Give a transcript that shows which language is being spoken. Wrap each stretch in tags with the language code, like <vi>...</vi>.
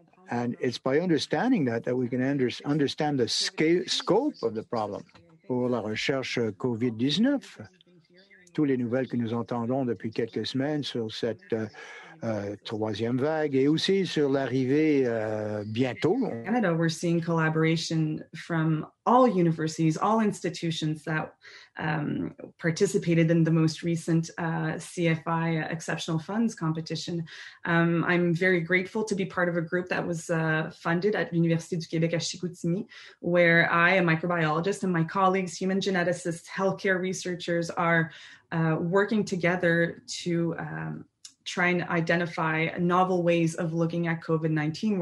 <en>And it's by understanding that we can understand the scope of the problem.</en> <fr>Pour la recherche COVID-19, toutes les nouvelles que nous entendons depuis quelques semaines sur cette troisième vague et aussi sur l'arrivée bientôt.</fr> <en>In Canada, we're seeing collaboration from all universities, all institutions that participated in the most recent CFI Exceptional Funds competition. I'm very grateful to be part of a group that was funded at l'Université du Québec à Chicoutimi, where I, a microbiologist, and my colleagues, human geneticists, healthcare researchers, are working together to try and identify novel ways of looking at COVID-19.</en>